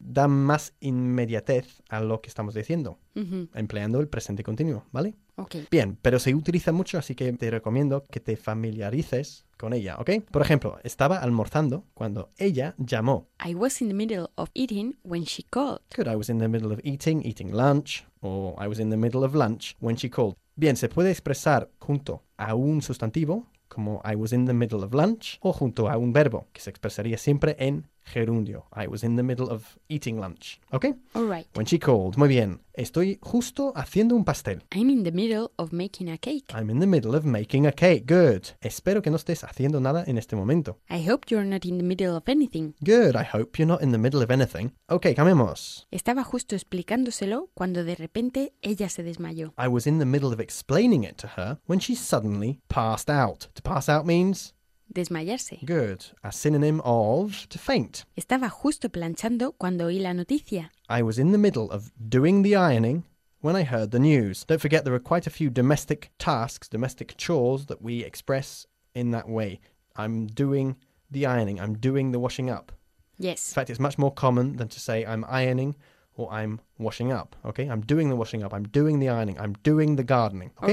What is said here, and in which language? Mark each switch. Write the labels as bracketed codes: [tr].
[es] Da más inmediatez a lo que estamos diciendo, mm-hmm. empleando el presente continuo, ¿vale? Ok. Bien, pero se utiliza mucho, así que te recomiendo que te familiarices con ella, ¿ok? Por ejemplo, estaba almorzando cuando ella llamó. [en] I was in the middle of eating when she called. Good, I was in the middle of eating lunch, or I was in the middle of lunch when she called. [es] Bien, se puede expresar junto a un sustantivo, como [en] I was in the middle of lunch, [es] o junto a un verbo, que se expresaría siempre en gerundio. [en] I was in the middle of eating lunch. ¿Ok? All right. When she called. [es] Muy bien. Estoy justo haciendo un pastel. [en] I'm in the middle of making a cake. I'm in the middle of making a cake. Good. [es] Espero que no estés haciendo nada en este momento. [en] I hope you're not in the middle of anything. Good. I hope you're not in the middle of anything. [es] Ok, cambiemos. Estaba justo explicándoselo cuando de repente ella se desmayó. [en] I was in the middle of explaining it to her when she suddenly passed out. To pass out means... [es] desmayarse. [en] Good. A synonym of to faint. [es] Estaba justo planchando cuando oí la noticia. [en] I was in the middle of doing the ironing when I heard the news. Don't forget there are quite a few domestic tasks, domestic chores that we express in that way. I'm doing the ironing. I'm doing the washing up. Yes. In fact, it's much more common than to say I'm ironing or I'm washing up. Okay? I'm doing the washing up. I'm doing the ironing. I'm doing the gardening. Okay?